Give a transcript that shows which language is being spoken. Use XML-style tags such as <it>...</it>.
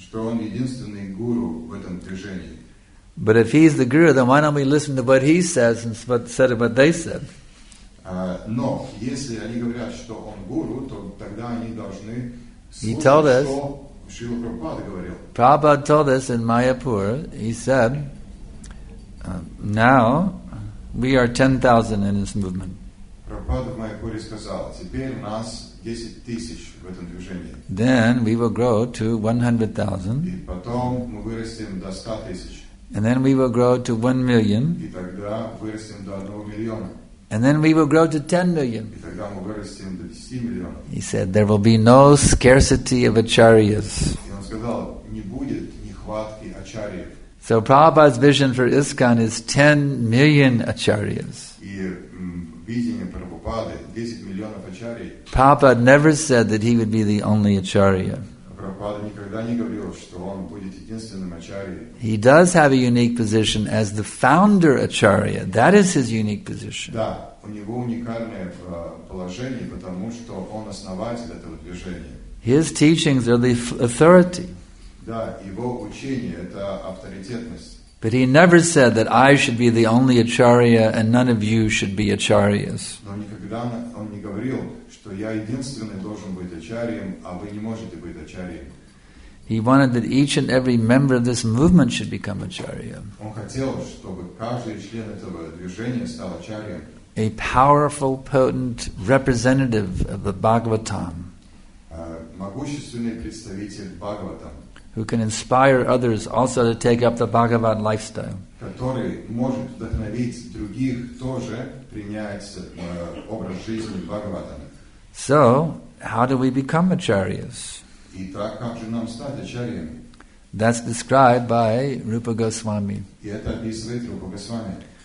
<ru>Что он единственный гуру в этом движении.</ru> <en>But if he's the guru, then why don't we listen to what he says and what they said?</en> <ru>Но если они говорят, что он гуру, то тогда они должны слушать, что Шрила говорил.</ru> <en>Prabhupada told us in Mayapur, he said, now we are 10,000 in this movement.</en> <ru>Prabhupada в Майяпуре сказал, теперь нас 10,000 в этом движении.</ru> <en>Then we will grow to 100,000.</en> <ru>И потом мы вырастем до 100,000.</ru> <en>And then we will grow to 1,000,000.</en> <ru>И тогда вырастем до 1,000,000.</ru> <en>And then we will grow to 10,000,000.</en> <ru>И тогда мы вырастем до 10,000,000.</ru> <en>He said, there will be no scarcity of acharyas.</en> <ru>И он сказал, не будет нехватки ачарьев.</ru> <en>So Prabhupada's vision for ISKCON is 10 million acharyas.</en> <ru>И видение Прабхупады 10 миллионов ачарий.</ru> <en>Prabhupada never said that he would be the only acharya.</en> <ru>Прабхупада никогда не говорил, что он будет единственным ачарьей.</ru> <en>He does have a unique position as the founder acharya. That is his unique position.</en> <ru>Да, у него уникальное положение, потому что он основатель этого движения.</ru> <en>His teachings are the authority.</en> <ru>Да, его учение это авторитетность.</ru> <en>But he never said that I should be the only acharya and none of you should be acharyas.</en> <ru>Но никогда он не говорил, что я единственный должен быть ачарьем, а вы не можете быть ачарьем.</ru> <en>He wanted that each and every member of this movement should become acharya.</en> <ru>Он хотел, чтобы каждый член этого движения стал ачарьем.</ru> <en>A powerful, potent representative of the Bhagavatam.</en> <ru>Могущественный представитель Бхагаватам.</ru> <en>Who can inspire others also to take up the Bhagavad lifestyle.</en> <ru>Который может вдохновить других тоже принять образ жизни Бхагаватам.</ru> <en>So, how do we become acharyas?</en> <ru>Итак, как же нам стать ачарьями?</ru> <en>That's described by Rupa Goswami.</en> <ru>И это описывает Рупа Госвами.</ru>